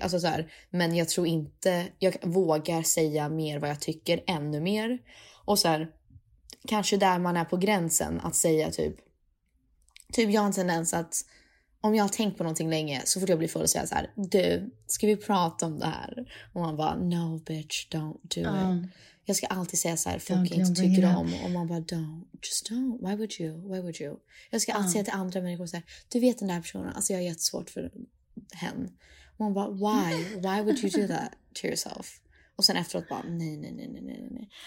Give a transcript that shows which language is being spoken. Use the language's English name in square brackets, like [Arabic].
[Swedish] Alltså så här, men jag tror inte, jag vågar säga mer vad jag tycker ännu mer. Och så här, kanske där man är på gränsen att säga typ, typ jag har en tendens att om jag har tänkt på någonting länge så får jag bli full och säga så här, du, ska vi prata om det här? Och man bara, [English] no bitch, don't do it. [Swedish] Jag ska alltid säga så här, folk inte tycker om. Och man bara, [English] don't, just don't. Why would you? [Swedish] Jag ska alltid säga till andra människor så här, du vet den där personen, alltså jag har jättesvårt för hen. Och man bara, [English] why? Why would you do that to yourself? [Swedish] Och sen efteråt bara, nej.